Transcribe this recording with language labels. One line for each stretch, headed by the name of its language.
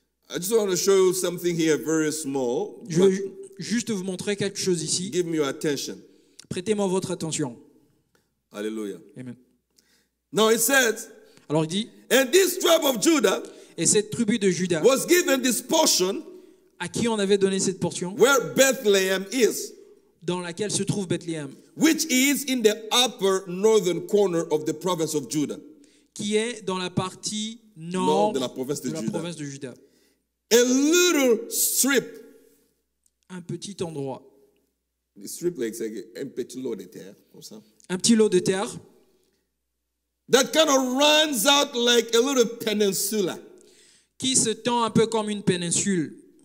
English: I just want to show you something here, very small.
French: Je veux juste vous montrer quelque chose ici.
English: Give me your attention.
French: Prêtez-moi votre attention.
English: Hallelujah. Amen. Now it says.
French: Alors il dit.
English: And this tribe of Judah.
French: Et cette tribu de Judas.
English: Was given this portion.
French: À qui on avait donné cette portion.
English: Where Bethlehem is.
French: Dans laquelle se trouve Bethlehem.
English: Which is in the upper northern corner of the province of Judah.
French: Qui est dans la partie nord de la province de Judah. La province de Judah.
English: A little strip.
French: Un petit endroit.
English: The strip like say,
French: un petit lot de terre, comme ça. Un petit lot de terre.
English: That kind of runs out like a little peninsula.
French: Qui se tend un peu comme une péninsule.